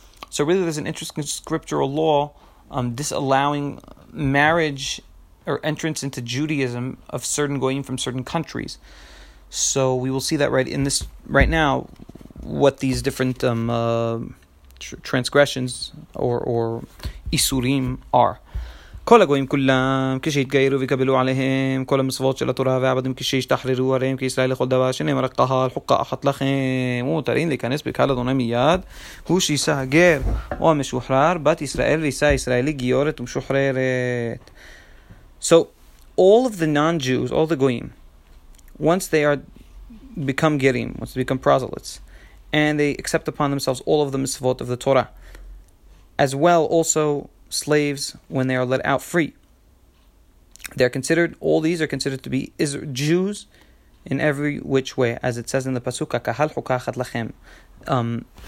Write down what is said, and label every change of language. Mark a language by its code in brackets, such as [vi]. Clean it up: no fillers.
[en] So really there's an interesting scriptural law disallowing marriage or entrance into Judaism of certain goyim from certain countries. So we will see that right now, what these different transgressions or isurim are. [he] כל הגויים כולם, כשהתגיירו וקבלו עליהם, כל המסוות של התורה והעבדים כשהשתחררו עליהם, כישראל לכל דבר שנאמר הקהל, חוקה אחת לכם, ומותרים להיכנס בקהל אדוני מיד, הוא שישא הגר או המשוחרר, בת ישראל וישא ישראלי גיורת ומשוחררת. [en] So, all of the non-Jews, all the goyim, once they are become gerim, once they become proselytes, and they accept upon themselves all of the misvot of the Torah, as well also slaves when they are let out free, all these are considered to be Jews in every which way, as it says in the pasuk, [he] kahal hukachat lachem.